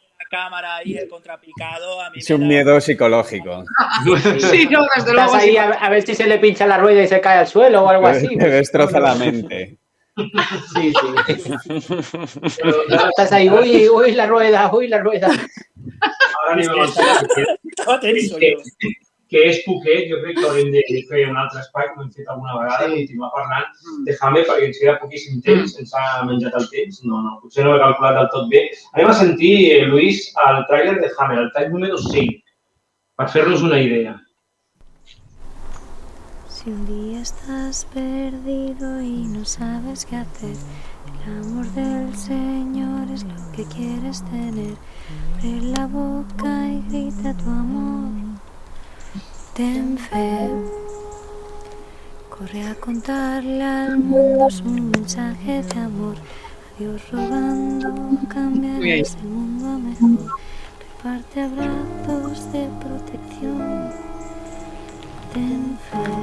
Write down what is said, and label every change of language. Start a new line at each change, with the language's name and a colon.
Spanish: Cámara y el contrapicado. A mí es un miedo psicológico. Sí, no, desde luego. Estás ahí a ver si se le pincha la rueda y se cae al suelo o algo así. Te destroza la mente. Sí, sí. Pero, estás ahí, uy, la rueda. Ahora ni me lo sé. Estaba tenso yo.
Catalan: Que és poquet, jo crec que haurem de fer un altre espai, com hem fet alguna vegada, sí. I continuar parlant de Hammer, perquè ens queda poquíssim temps, ens ha menjat el temps, no, potser no ho he calculat del tot bé. Anem a sentir, Lluís, el tràiler de Hammer, el tall número 5, per fer-nos una idea.
Spanish: Si un dia estàs perdido i no sabes què fer, l'amor del Señor és lo que quieres tener, pren la boca i grita tu amor. Ten fe, corre a contarle al mundo su mensaje de amor. A Dios rogando cambiarás el mundo a mejor. Reparte abrazos de protección. Ten fe,